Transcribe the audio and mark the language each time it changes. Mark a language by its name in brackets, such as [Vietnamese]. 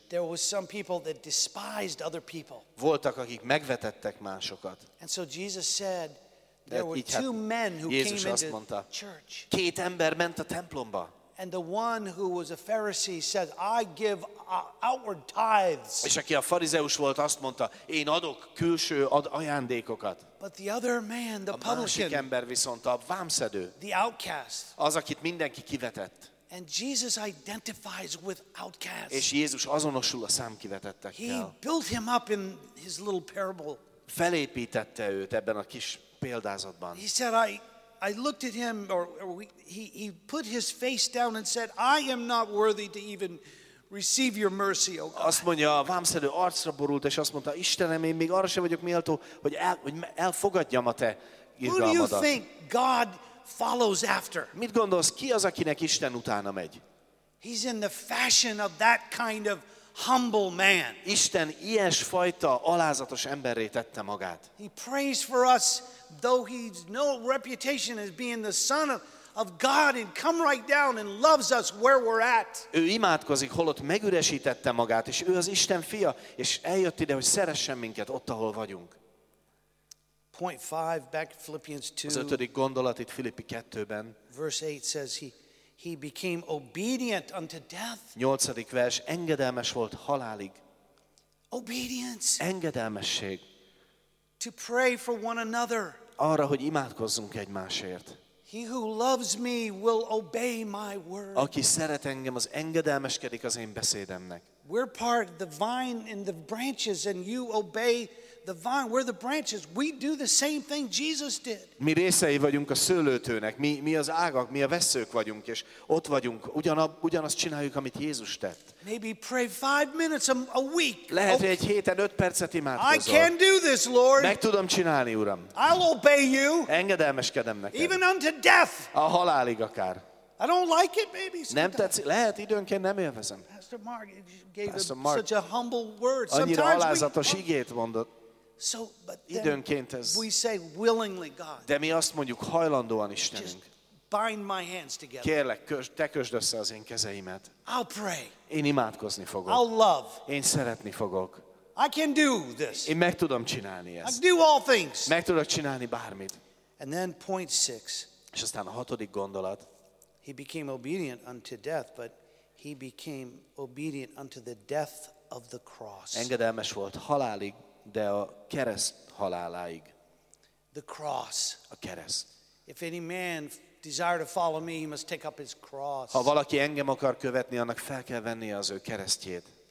[English] There was some people that despised other people. [Hungarian] Voltak, akik megvetettek másokat. [English] And so Jesus said, there were two men who [Hungarian] Jézus [English] came into the church. [Hungarian] Két ember ment a templomba. [English] And the one who was a Pharisee said, I give outward tithes. [Hungarian] És aki a farizeus volt, azt mondta, én adok külső ajándékokat. [English] But the other man, the publican, [Hungarian] ember viszont a vámszedő, [English] the outcast, [Hungarian] az, akit mindenki kivetett. [English] And Jesus identifies with outcasts. [Hungarian] És Jézus azonosul a számkivetettekkel. [English] He built him up in his little parable. [Hungarian] Felépítette őt ebben a kis példázatban. [English] He said, I looked at him, he put his face down and said, I am not worthy to even receive your mercy, O God. [Hungarian] Azt mondja, a vámszedő arcra borult, és azt mondta, Istenem, én még arra sem vagyok méltó, hogy elfogadjam a te irgalmadat. [English] Who do you think God follows after? [Hungarian] Mit gondolsz, ki az, akinek Isten utána megy? [English] He's in the fashion of that kind of humble man. [Hungarian] Isten ilyesfajta alázatos emberré tette magát. [English] He prays for us, though he's no reputation as being the son of God, and come right down and loves us where we're at. [Hungarian] Ő imádkozik, holott megüresítette magát, és ő az Isten fia, és eljött ide, hogy szeressen minket ott, ahol vagyunk. [English] Point 5, back to Philippians 2. [Hungarian] Az ötödik gondolat itt Filippi 2-ben. [English] Verse 8 says he became obedient unto death. [Hungarian] Nyolcadik vers, engedelmes volt halálig. [English] Obedience. [Hungarian] Engedelmesség. [English] To pray for one another. [Hungarian] Arra, hogy imádkozzunk egymásért. [English] He who loves me will obey my word. [Hungarian] Aki szeret engem, az engedelmeskedik az én beszédemnek. [English] We're part of the vine and the branches, and you obey the vine. We're the branches. We do the same thing Jesus did. [Hungarian] Mi részei vagyunk a szőlőtőnek. Mi az ágak, mi a vesszők vagyunk, és ott vagyunk. Ugyanazt csináljuk, amit Jézus tett. [English] Maybe pray 5 minutes a week. [Hungarian] Lehet, hogy egy héten 5 percet imádkozol. [English] I can do this, Lord. [Hungarian] Meg tudom csinálni, Uram. [English] I'll obey you. [Hungarian] Engedelmeskedem neked. [English] Even unto death. [Hungarian] A halálig akár. [English] I don't like it, maybe. Sometimes. [Hungarian] Nem tetszik. Lehet, időnként nem élvezem. [English] Pastor Mark gave Pastor Mark, such a humble word. [Hungarian] Annyira alázatos ígét mondott. [English] So, but then we say willingly, God. [Hungarian] De mi azt mondjuk hajlandóan, Istenünk. [English] Bind my hands together. [Hungarian] Kérlek, te kösd össze az én kezeimet. [English] I'll pray. [Hungarian] Én imádkozni fogok. [English] I'll love. [Hungarian] Én szeretni fogok. [English] I can do this. [Hungarian] Én meg tudom csinálni ezt. [English] I do all things. [Hungarian] Meg tudok csinálni bármit. [English] And then point six. [Hungarian] És aztán a hatodik gondolat. [English] He became obedient unto death, but he became obedient unto the death of the cross. [Hungarian] Engedelmes volt halálig, de a kereszt haláláig. [English] The cross. [Hungarian] A kereszt. [English] If any man desire to follow me, he must take up his cross. [Hungarian] Ha valaki engem akar követni, annak fel kell vennie az ő keresztjét.